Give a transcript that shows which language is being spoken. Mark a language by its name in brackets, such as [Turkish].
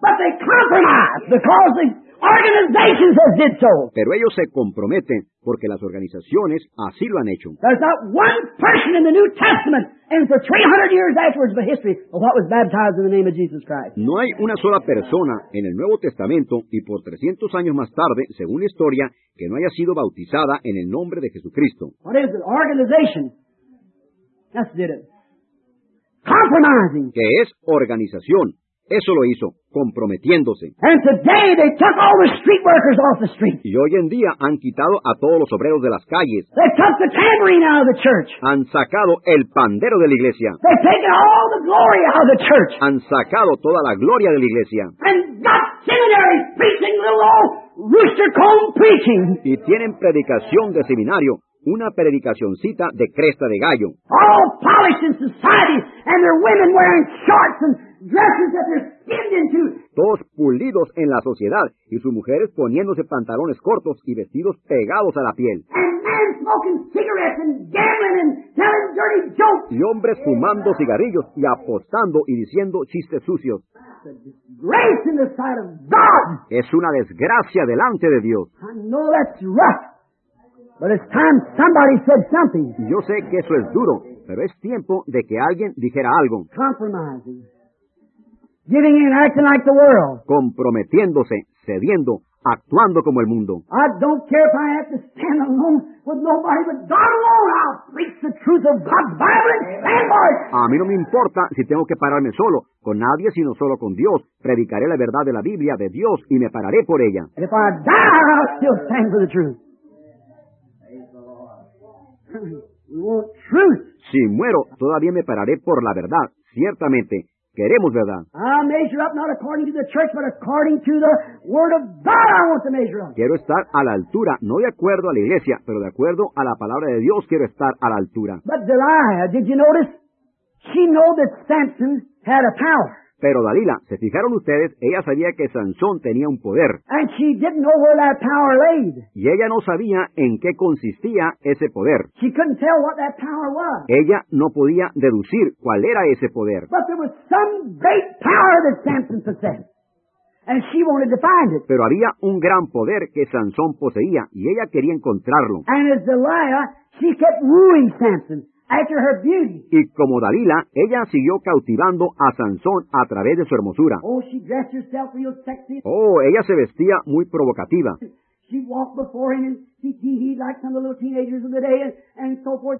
[English] But they compromise because they... Organizations have did so. [Spanish] Pero ellos se comprometen porque las organizaciones así lo han hecho. [English] There's not one person in the New Testament and for 300 years afterwards the history of what was baptized in the name of Jesus Christ. [Spanish] No hay una sola persona en el Nuevo Testamento y por 300 años más tarde, según la historia, que no haya sido bautizada en el nombre de Jesucristo. [English] What is an organization? That's did it. Compromising. [Spanish] ¿Qué es organización? Eso lo hizo, comprometiéndose. [English] And today they took all the street workers off the street. [Spanish] Y hoy en día han quitado a todos los obreros de las calles. [English] They took the tambourine out of the church. [Spanish] Han sacado el pandero de la iglesia. [English] They taken all the glory out of the church. [Spanish] Han sacado toda la gloria de la iglesia. [English] And got seminaries preaching little old rooster comb preaching. [Spanish] Y tienen predicación de seminario. Una predicacioncita de cresta de gallo. [English] All polished in society and their women wearing shorts and dresses that they're skinned into. [Spanish] Todos pulidos en la sociedad y sus mujeres poniéndose pantalones cortos y vestidos pegados a la piel. [English] And men smoking cigarettes and gambling and telling dirty jokes. [Spanish] Y hombres fumando cigarrillos y apostando y diciendo chistes sucios. [English] Disgrace in the sight of God. [Spanish] Es una desgracia delante de Dios. [English] I know that's rough. But it's time somebody said something. [Spanish] Yo sé que eso es duro, pero es tiempo de que alguien dijera algo. [English] Compromising. Giving in, acting like the world. [Spanish] Comprometiéndose, cediendo, actuando como el mundo. [English] I don't care if I have to stand alone with nobody but God alone. I'll preach the truth of God's Bible and stand by it. [Spanish] A mí no me importa si tengo que pararme solo, con nadie sino solo con Dios. Predicaré la verdad de la Biblia, de Dios, y me pararé por ella. [English] And if I die, I'll still stand for the truth. We want truth. [Spanish] Si muero, todavía me pararé por la verdad. Ciertamente, queremos verdad. [English] I measure up not according to the church, but according to the word of God. I want to measure up. [Spanish] Quiero estar a la altura, no de acuerdo a la iglesia, pero de acuerdo a la palabra de Dios. Quiero estar a la altura. [English] But Delilah, did you notice? She knew that Samson had a power. [Spanish] Pero Dalila, ¿se fijaron ustedes? Ella sabía que Sansón tenía un poder. [English] And she didn't know where that power laid. [Spanish] Y ella no sabía en qué consistía ese poder. [English] She couldn't tell what that power was. [Spanish] Ella no podía deducir cuál era ese poder. [English] But there was some great power that Samson possessed. And she wanted to find it. [Spanish] Pero había un gran poder que Sansón poseía y ella quería encontrarlo. [English] And as Delilah, she kept wooing Samson. After her beauty. [Spanish] Y como Dalila, ella siguió cautivando a Sansón a través de su hermosura. [English] Oh, she dressed herself real sexy. [Spanish] Oh, ella se vestía muy provocativa. [English] She walked before him and he like some of the little teenagers of the day and so forth.